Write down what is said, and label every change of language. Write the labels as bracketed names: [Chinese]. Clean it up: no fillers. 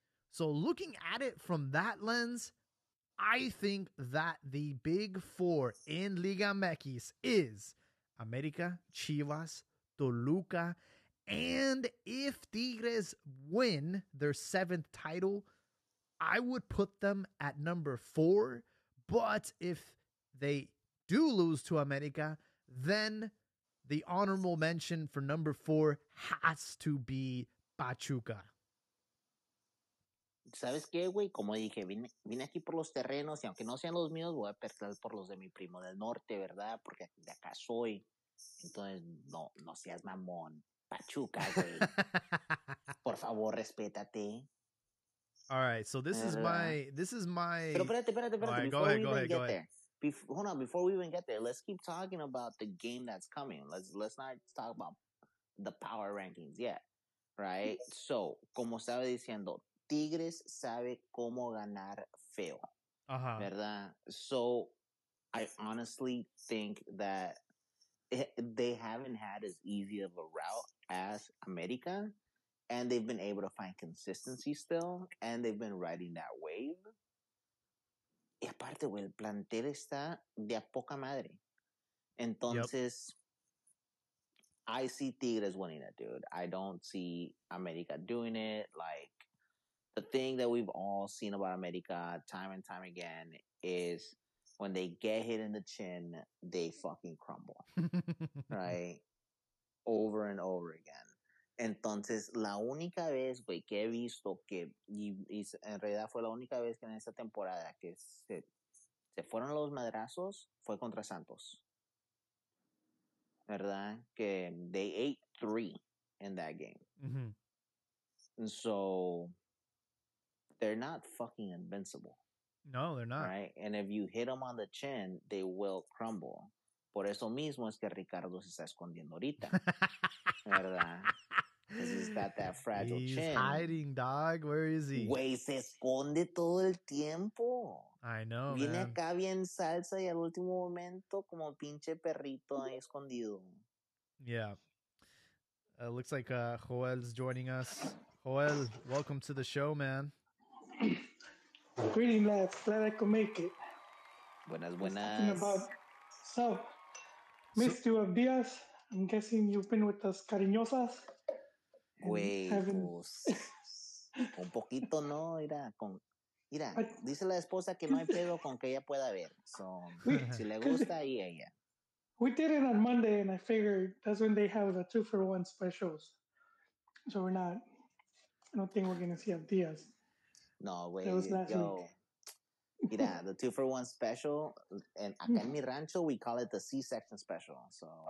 [English] So looking at it from that lens, I think that the big four in Liga MX is América, Chivas, Toluca, and if Tigres win their 7th title, I would put them at number 4. But if they do lose to América, then the honorable mention for number 4 has to be Pachuca. [Spanish] ¿Sabes qué, güey? Como dije, vine aquí por los terrenos y aunque no sean los míos, voy a perder por los de mi primo del norte, ¿verdad? Porque de acá soy. Entonces, no seas mamón. Pachuca, güey. Por favor, respétate. [English] All right, so this is my... [Spanish] Pero espérate. [English] All right, go ahead. Hold on, before we even get there, let's keep talking about the game that's coming. Let's not talk about the power rankings yet, right? [Spanish] So, como estaba diciendo, Tigres sabe cómo ganar feo, uh-huh, ¿verdad? [English] So, I honestly think that they haven't had as easy of a route as America, and they've been able to find consistency still, and they've been riding that wave. [Spanish] Y aparte, güey, el plantel está de a poca madre. [English] Entonces, yep, I see Tigres winning it, dude. I don't see America doing it, like, the thing that we've all seen about America time and time again is when they get hit in the chin, they fucking crumble, right? Over and over again. [Spanish] Entonces, la única vez, güey, que he visto que, y en realidad fue la única vez que en esta temporada que se fueron los madrazos, fue contra Santos. ¿Verdad? Que [English] they ate three in that game. Mm-hmm. So, they're not fucking invincible. No, they're not. Right? And if you hit them on the chin, they will crumble. [Spanish] Por eso mismo es que Ricardo se está escondiendo ahorita. ¿Verdad? [English] Because he's got that fragile he's chin. He's hiding, dog. Where is he? [Spanish] Güey, se esconde todo el tiempo. [English] I know, [Spanish] viene [English] man. [Spanish] Viene acá bien salsa y al último momento como pinche perrito ahí escondido. [English] Yeah. It looks like Joel's joining us. Joel, welcome to the show, man. Greetings, lads. Glad I could make it. [Spanish] Buenas, buenas. About... [English] So, missed you of Diaz. I'm guessing you've been with us cariñosas. [Spanish] Güey, pues, un poquito, ¿no? Mira, dice la esposa que no hay pedo con que ella pueda ver. So, si le gusta, ahí ella. [English] We did it on Monday, and I figured that's when they have the two-for-one specials. So we're not, I don't think we're going to see Diaz. [Spanish] No, güey. [English] That was last week. [Spanish] Mira, [English] the two-for-one special, and [Spanish] acá en mi rancho, [English] we call it the C-section special. So